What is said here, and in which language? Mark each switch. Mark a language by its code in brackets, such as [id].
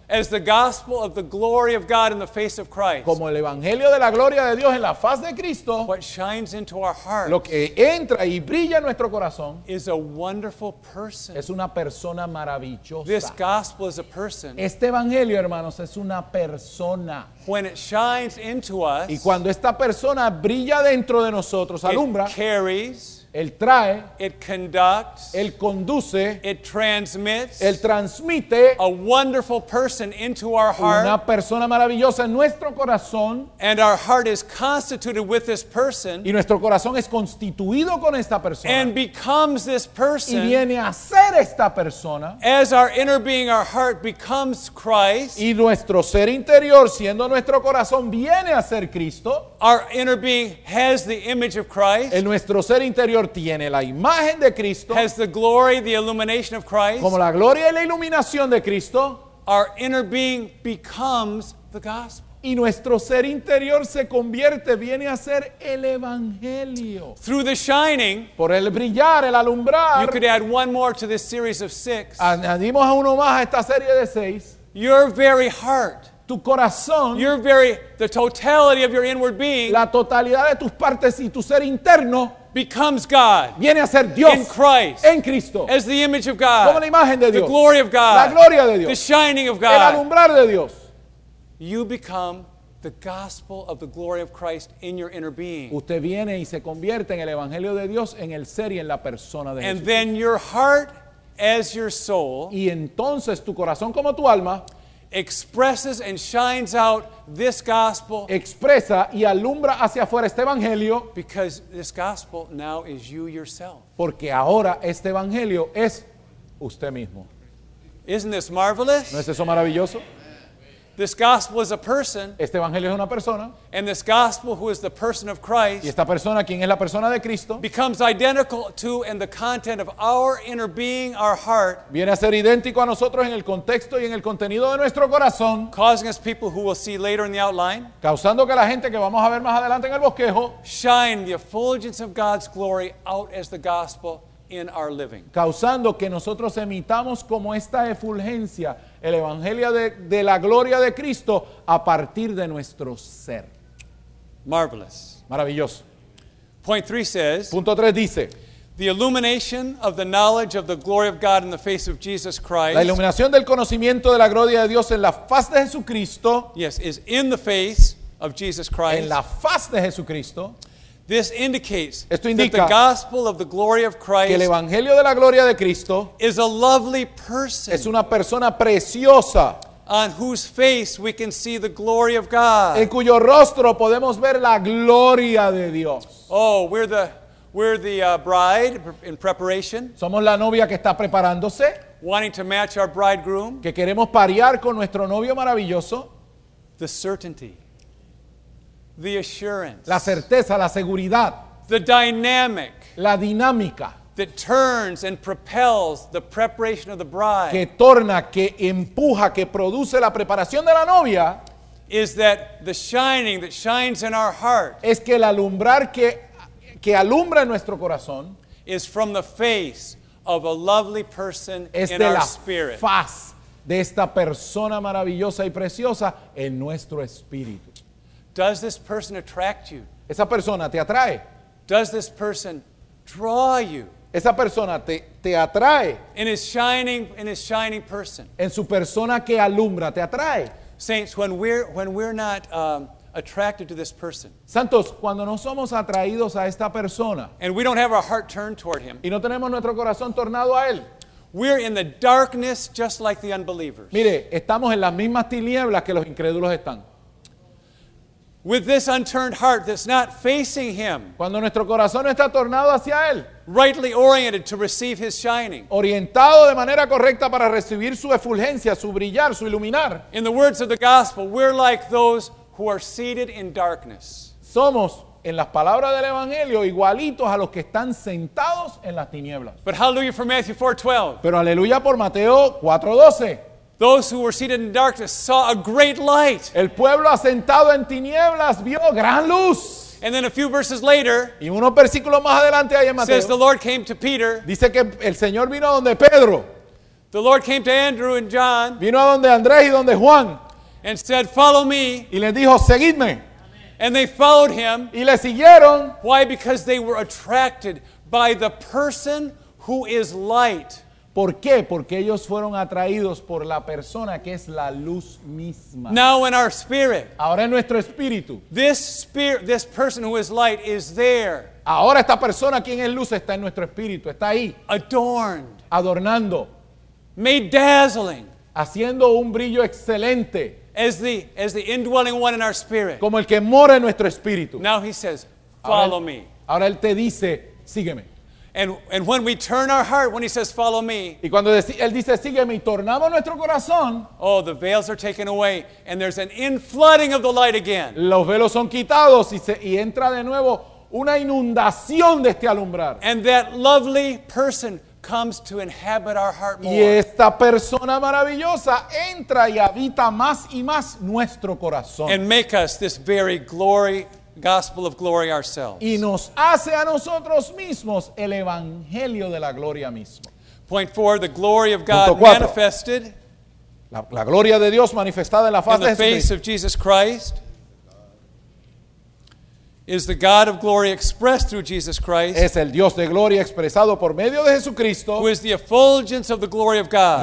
[en] As the gospel of the glory of God in the face of Christ. [es] Como el evangelio de la gloria de Dios en la faz de Cristo. [en] What shines into our hearts. [es] Lo que entra y brilla en nuestro corazón. [en] Is a wonderful person. [es] Es una persona maravillosa. [en] This gospel is a person. [es] Este evangelio, hermanos, es una persona. [en] When it shines into us. [es] Y cuando esta persona brilla dentro de nosotros, alumbra. [en] It carries. [es] Él trae, [en] it conducts, [es] él conduce, [en] it transmits, [es] él transmite, [en] a wonderful person into our heart, [es] una persona maravillosa en nuestro corazón, [en] and our heart is constituted with this person, [es] y nuestro corazón es constituido con esta persona, [en] and becomes this person, [es] y viene a ser esta persona, [en] as our inner being, our heart becomes Christ, [es] y nuestro ser interior, siendo nuestro corazón, viene a ser Cristo, [en] our inner being has the image of Christ, [es] en nuestro ser interior tiene la imagen de Cristo, [en] has the glory, the illumination of Christ, [es] como la gloria y la iluminación de Cristo, [en] our inner being becomes the gospel. [es] Y nuestro ser interior se convierte, viene a ser el evangelio. [en] Through the shining, [es] por el brillar, el alumbrar, [en] you could add one more to this series of six, [es] añadimos a uno más a esta serie de seis, [en] your very heart, [es] tu corazón, [en] your very, the totality of your inward being, [es] la totalidad de tus partes y tu ser interno, [en] becomes God. [es] Viene a ser Dios. [en] In Christ. [es] En Cristo. [en] As the image of God. [es] Como la imagen de Dios. [en] The glory of God. [es] La gloria de Dios. [en] The shining of God. [es] El alumbrar de Dios. [en] You become the gospel of the glory of Christ in your inner being. [es] Usted viene y se convierte en el evangelio de Dios en el ser y en la persona de Jesús. [en] And then your heart as your soul. [es] Y entonces tu corazón como tu alma. [en] Expresses and shines out this gospel. [es] Expresa y alumbra hacia afuera este evangelio. [en] Because this gospel now is you yourself. [es] Porque ahora este evangelio es usted mismo. [en] Isn't this marvelous? [es] ¿No es eso maravilloso? [en] This gospel is a person. [es] Este evangelio es una persona. [en] And this gospel, who is the person of Christ, [es] y esta persona, quien es la persona de Cristo, [en] becomes identical to and the content of our inner being, our heart. [es] Viene a ser idéntico a nosotros en el contexto y en el contenido de nuestro corazón. [en] Causing us people who will see later in the outline. [es] Causando que la gente que vamos a ver más adelante en el bosquejo [en] shine the effulgence of God's glory out as the gospel in our living. [es] Causando que nosotros emitamos como esta efulgencia el evangelio de la gloria de Cristo a partir de nuestro ser. [en] Marvelous. [es] Maravilloso. [en] Point 3 says. [es] Punto 3 dice. [en] The illumination of the knowledge of the glory of God in the face of Jesus Christ. [es] La iluminación del conocimiento de la gloria de Dios en la faz de Jesucristo. [en] Yes, is in the face of Jesus Christ. [es] En la faz de Jesucristo. [en] This indicates [es] esto indica [en] that the gospel of the glory of Christ, [es] que el evangelio de la gloria de Cristo, [en] is a lovely person, [es] es una persona preciosa, [en] on whose face we can see the glory of God, [es] en cuyo rostro podemos ver la gloria de Dios. [en] Oh, we're the bride in preparation. [es] Somos la novia que está preparándose, [en] wanting to match our bridegroom, [es] que queremos parear con nuestro novio maravilloso. [en] The certainty, the assurance, [es] la certeza, la seguridad, [en] the dynamic, [es] la dinámica, [en] that turns and propels the preparation of the bride, [es] que torna, que empuja, que produce la preparación de la novia, [en] is that the shining that shines in our heart, [es] es que el alumbrar que alumbra en nuestro corazón, [en] is from the face of a lovely person in our spirit, [es] es de la faz de esta persona maravillosa y preciosa en nuestro espíritu. [en] Does this person attract you? [es] ¿Esa persona te atrae? [en] Does this person draw you? [es] ¿Esa persona te atrae? [en] In his shining person. [es] En su persona que alumbra, te atrae. [en] Saints, when we're not attracted to this person. [es] Santos, cuando no somos atraídos a esta persona. [en] And we don't have our heart turned toward him. [es] Y no tenemos nuestro corazón tornado a él. [en] We're in the darkness just like the unbelievers. [es] Mire, estamos en las mismas tinieblas que los incrédulos están. [en] With this unturned heart that's not facing him. [es] Cuando nuestro corazón no está tornado hacia él. [en] Rightly oriented to receive his shining. [es] Orientado de manera correcta para recibir su efulgencia, su brillar, su iluminar. [en] In the words of the gospel, we're like those who are seated in darkness. [es] Somos, en las palabras del evangelio, igualitos a los que están sentados en las tinieblas. [en] But hallelujah for Matthew 4:12. [es] Pero aleluya por Mateo 4:12. [en] Those who were seated in darkness saw a great light. [es] El pueblo asentado en tinieblas vio gran luz. [en] And then a few verses later, [es] y unos versículos más adelante ahí en Mateo, [en] says the Lord came to Peter. [es] Dice que el Señor vino donde Pedro. [en] The Lord came to Andrew and John. [es] Vino a donde Andrés y donde Juan. [en] And said, "Follow me." [es] Y les dijo, "Seguidme." [en] And they followed him. [es] Y le siguieron. [en] Why? Because they were attracted by the person who is light. [es] ¿Por qué? Porque ellos fueron atraídos por la persona que es la luz misma. [en] Now in our spirit. [es] Ahora en nuestro espíritu. [en] This spirit, this person who is light is there. [es] Ahora esta persona quien es luz está en nuestro espíritu, está ahí. [en] Adorned. [es] Adornando. [en] Made dazzling. [es] Haciendo un brillo excelente. [en] As the indwelling one in our spirit. [es] Como el que mora en nuestro espíritu. [en] Now he says, "Follow me." [es] Ahora él te dice, sígueme. [en] And when we turn our heart, when he says, "Follow me," [es] y cuando él dice, sígueme, y tornamos nuestro corazón, [en] oh, the veils are taken away, and there's an inflooding of the light again. [es] Los velos son quitados y entra de nuevo una inundación de este alumbrar. [en] And that lovely person comes to inhabit our heart more. [es] Y esta persona maravillosa entra y habita más y más nuestro corazón. [en] And make us this very glory. Gospel of glory ourselves. [es] Y nos hace a nosotros mismos el evangelio de la gloria mismo. [en] Point 4, the glory of God manifested. [es] La gloria de Dios manifestada en la faz de Jesucristo. [en] In the face of Jesus Christ. Is the God of glory expressed through Jesus Christ. [es] Es el Dios de gloria expresado por medio de Jesucristo. [en] Who is the effulgence of the glory of God.